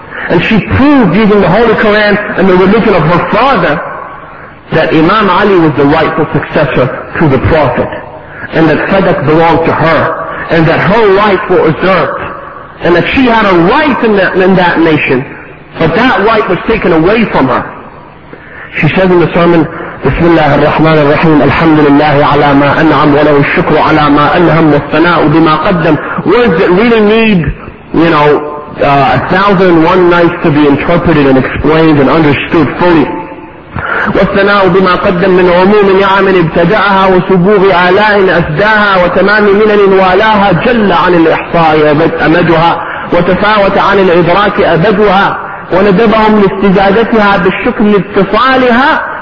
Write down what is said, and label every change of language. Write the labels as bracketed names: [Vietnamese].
[English] And she proved using the Holy Quran and the religion of her father that Imam Ali was the rightful successor to the Prophet. And that Sadaq belonged to her. And that her life was usurped. And that she had a right in that nation. But that right was taken away from her. She says in the sermon, [Arabic] بسم الله الرحمن الرحيم الحمد لله على ما أنعم وله الشكر على ما ألهم والثناء بما قدم. [English] Words that really need, you know, 1,001 nights to be interpreted and explained and understood fully. [Arabic] والثناء بما قدم من عموم نعم ابتدأها وسبوغ آلاء أسداها وتمام منن والاها جل عن الإحصاء أمدها وتفاوت عن الإدراك أبدها وندبهم لاستزادتها بالشكر لاتصالها.